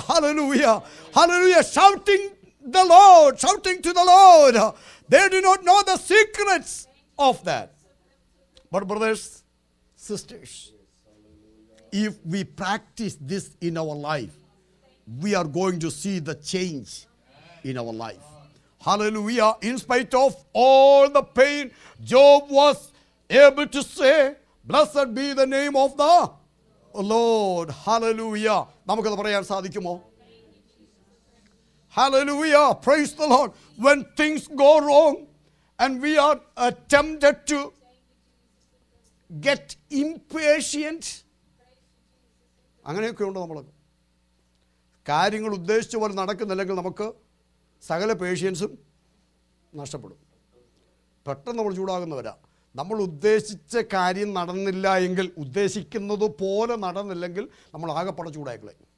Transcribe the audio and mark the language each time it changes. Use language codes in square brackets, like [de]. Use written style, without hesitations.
[en] Hallelujah, hallelujah, shouting the Lord, shouting to the Lord. They do not know the secrets of that. But brothers, sisters, if we practise this in our life, we are going to see the change in our life. Hallelujah. In spite of all the pain, Job was able to say, blessed be the name of the Lord. [ml] Hallelujah. നമുക്ക് അത് പറയാൻ സാധിക്കുമോ? [en] Hallelujah. Praise the Lord. When things go wrong and we are tempted to get impatient, [ml] അങ്ങനെയൊക്കെ ഉണ്ട് നമ്മൾ. കാര്യങ്ങൾ ഉദ്ദേശിച്ച പോലെ നടക്കുന്നില്ലെങ്കിൽ നമുക്ക് സകല പേഷ്യൻസും നഷ്ടപ്പെടും. പെട്ടെന്ന് നമ്മൾ ചൂടാകുന്നവരാ. നമ്മൾ ഉദ്ദേശിച്ച കാര്യം നടന്നില്ല എങ്കിൽ, ഉദ്ദേശിക്കുന്നത് പോലെ നടന്നില്ലെങ്കിൽ നമ്മൾ ആകെപ്പാടെ ചൂടായിക്കളെ.